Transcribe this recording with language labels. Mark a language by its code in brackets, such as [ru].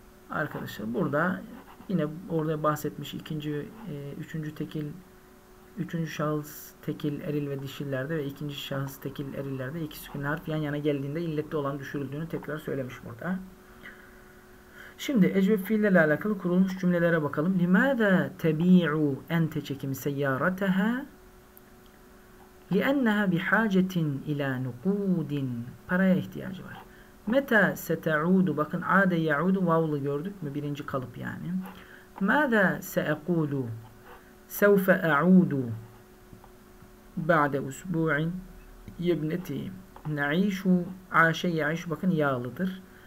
[tr] Arkadaşlar burada yine orada bahsetmiş ikinci, üçüncü tekil, üçüncü şahıs tekil eril ve dişillerde ve ikinci şahıs tekil erillerde iki sükun harf yan yana geldiğinde illetli olan düşürüldüğünü tekrar söylemiş burada. Şimdi ecveb fiillerle alakalı kurulmuş cümlelere bakalım. [ar] لِمَاذَا تَبِيعُ اَنْتَ çekim سَيَّارَتَهَا لِأَنَّهَا بِحَاجَةٍ اِلَى نُقُودٍ [tr] paraya ihtiyacı var. [ar] مَتَى سَتَعُودُ [tr] bakın [ar] عَادَ يَعُودُ [tr] vavlu gördük mü? Birinci kalıp yani. [ar] مَاذَا سَأَقُولُ سَوْفَ أَعُودُ بَعْدَ أُسْبُوعٍ يَبْنَتِي نَعِيشُ عَاشَ يَعِيشُ [tr] bakın yağlıdır.